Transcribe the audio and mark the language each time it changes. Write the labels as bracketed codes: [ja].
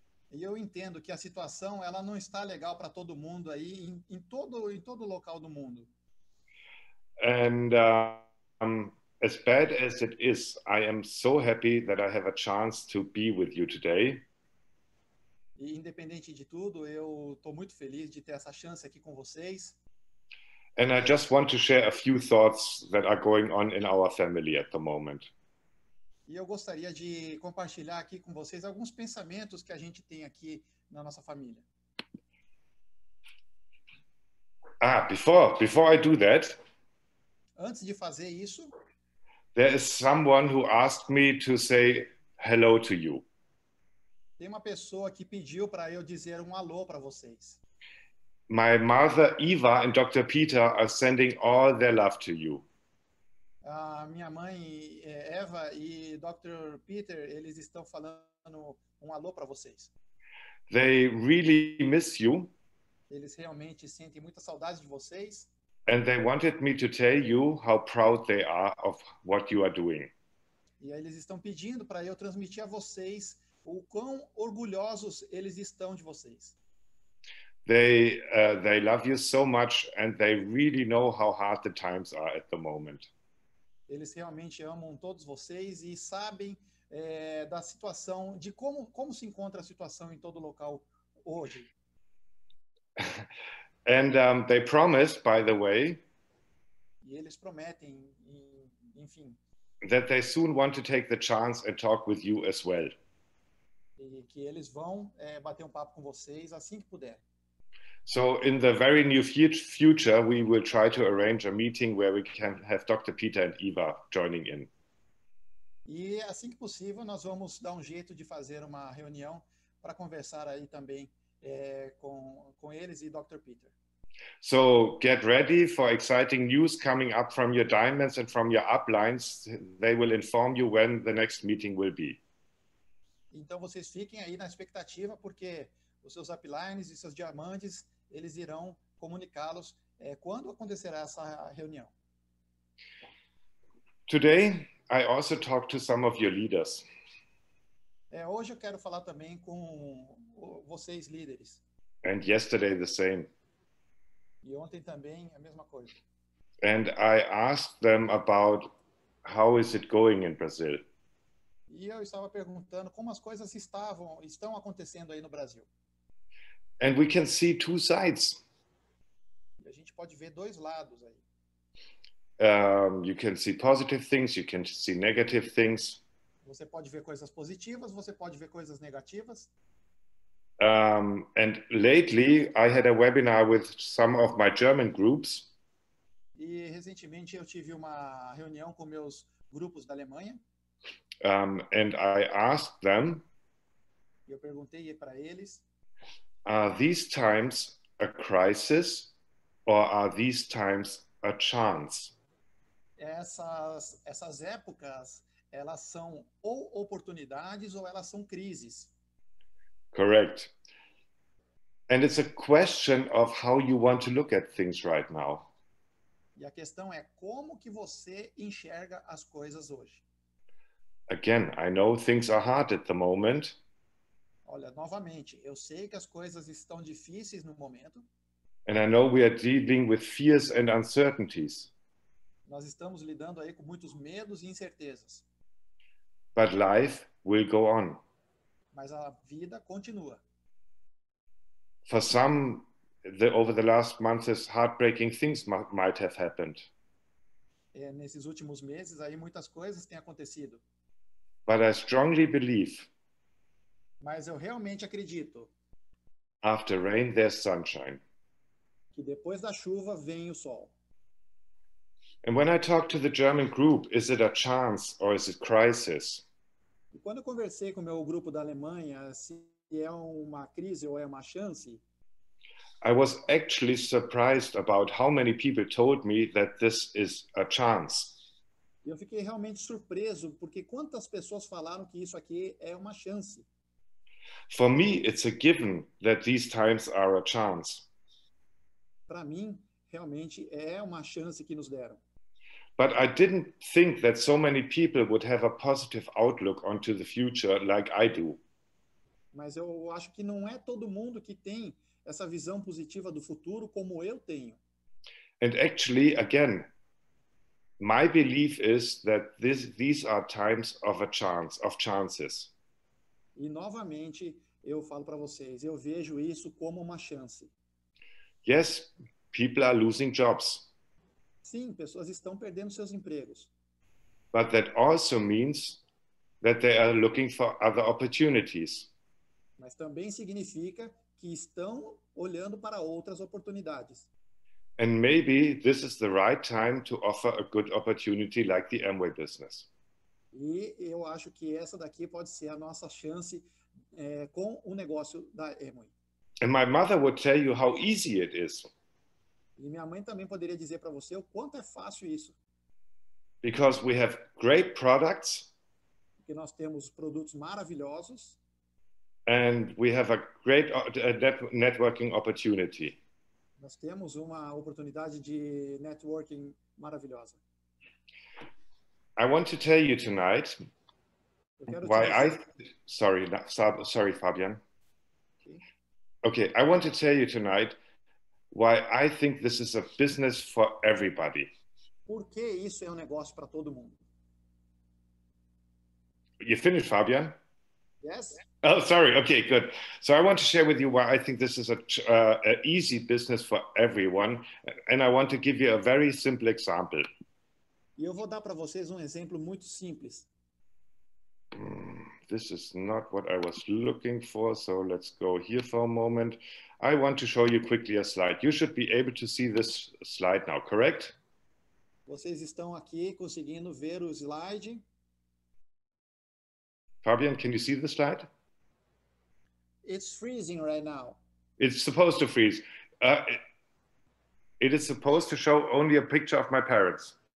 [pt] E eu entendo que a situação ela não está legal para todo mundo aí, em todo local do mundo. [en] And as bad as it is, I am so happy that I have a chance to be with you today. [pt] E independente de tudo, eu estou muito feliz de ter essa chance aqui com vocês. [en] And I just want to share a few thoughts that are going on in our family at the moment. [pt] E eu gostaria de compartilhar aqui com vocês alguns pensamentos que a gente tem aqui na nossa família. [en] Ah, before I do that, [pt] Antes de fazer isso, [en] there is someone who asked me to say hello to you. [pt] tem uma pessoa que pediu para eu dizer um alô para vocês. [en] My mother Eva and Dr. Peter are sending all their love to you. [pt] A minha mãe, Eva, e Dr. Peter, eles estão falando um alô para vocês. [en] They really miss you. [pt] Eles realmente sentem muita saudade de vocês. [en] And they wanted me to tell you how proud they are of what you are doing. [pt] E aí eles estão pedindo para eu transmitir a vocês o quão orgulhosos eles estão de vocês. [en] They love you so much and they really know how hard the times are at the moment. [pt] eles realmente amam todos vocês e sabem da situação, de como se encontra a situação em todo local hoje. [en] And they promised, by the way, [pt] e eles prometem, enfim, [en] that they soon want to take the chance and talk with you as well. [pt] E que eles vão bater um papo com vocês assim que puder. [en] So in the very near future, we will try to arrange a meeting where we can have Dr. Peter and Eva joining in. [pt] E assim que possível, nós vamos dar um jeito de fazer uma reunião para conversar aí também com eles e Dr. Peter. [en] So get ready for exciting news coming up from your diamonds and from your uplines. They will inform you when the next meeting will be. [pt] Então vocês fiquem aí na expectativa, porque os seus uplines e seus diamantes, eles irão comunicá-los quando acontecerá essa reunião. [en] Today, I also talk to some of your leaders. [pt] Hoje eu quero falar também com vocês, líderes. [en] And yesterday, the same. [pt] E ontem também, a mesma coisa. [en] And I asked them about how is it going in Brazil. [pt] E eu estava perguntando como as coisas estão acontecendo aí no Brasil. [en] And we can see two sides. [pt] A gente pode ver dois lados aí. [en] You can see positive things, you can see negative things. [pt] Você pode ver coisas positivas, você pode ver coisas negativas. [en] And lately I had a webinar with some of my German groups. [pt] E recentemente eu tive uma reunião com meus grupos da Alemanha. [en] And I asked them. [pt] Eu perguntei para eles. [en] Are these times a crisis or are these times a chance? [pt] Essas épocas, elas são ou oportunidades ou elas são crises. [en] Correct. And it's a question of how you want to look at things right now. [pt] E a questão é como que você enxerga as coisas hoje. [en] Again, I know things are hard at the moment. [pt] Olha, novamente, eu sei que as coisas estão difíceis no momento. [en] And I know we are dealing with fears and uncertainties. [pt] Nós estamos lidando aí com muitos medos e incertezas. [en] But life will go on. [pt] Mas a vida continua. [en] For some, over the last months, heartbreaking things might have happened. [pt] Nesses últimos meses, aí muitas coisas têm acontecido. [en] But I strongly believe. [pt] Mas eu realmente acredito. [en] After rain, there's sunshine. [pt] Que depois da chuva vem o sol. [en] And when I talk to the German group, is it a chance or is it crisis? [pt] E quando eu conversei com o meu grupo da Alemanha, se é uma crise ou é uma chance? [en] I was actually surprised about how many people told me that this is a chance. [pt] Eu fiquei realmente surpreso porque quantas pessoas falaram que isso aqui é uma chance. [en] For me, it's a given that these times are a chance. [pt] Para mim, realmente é uma chance que nos deram. [en] But I didn't think that so many people would have a positive outlook onto the future like I do. [pt] Mas eu acho que não é todo mundo que tem essa visão positiva do futuro como eu tenho. [en] And actually, again, my belief is that these are times of a chance, of chances. [pt] E novamente eu falo para vocês, eu vejo isso como uma chance. [en] Yes, people are losing jobs. [pt] Sim, pessoas estão perdendo seus empregos. [en] But that also means that they are looking for other opportunities. [pt] Mas também significa que estão olhando para outras oportunidades. [en] And maybe this is the right time to offer a good opportunity like the Amway business. [pt] E eu acho que essa daqui pode ser a nossa chance com o negócio da Amway. [en] And my mother would tell you how easy it is. [pt] E minha mãe também poderia dizer para você o quanto é fácil isso. [en] Because we have great products. [pt] Porque nós temos produtos maravilhosos. [en] And we have a great networking opportunity. [pt] Nós temos uma oportunidade de networking maravilhosa. [en] I want to tell you tonight why I... Sorry, Fabian. Okay, I want to tell you tonight why I think this is a business for everybody. [pt] por que isso é um negócio para todo mundo. [en] You finished, Fabian? Yes. Oh, sorry. Okay, good. So I want to share with you why I think this is an easy business for everyone, and I want to give you a very simple example. [pt] E eu vou dar para vocês um exemplo muito simples. [en] This is not what I was looking for, so let's go here for a moment. I want to show you quickly a slide. You should be able to see this slide now, correct? [pt] Vocês estão aqui conseguindo ver o slide? [en] Fabian, can you see the slide? It's freezing right now. It's supposed to freeze. It is supposed to show only a picture of my parents.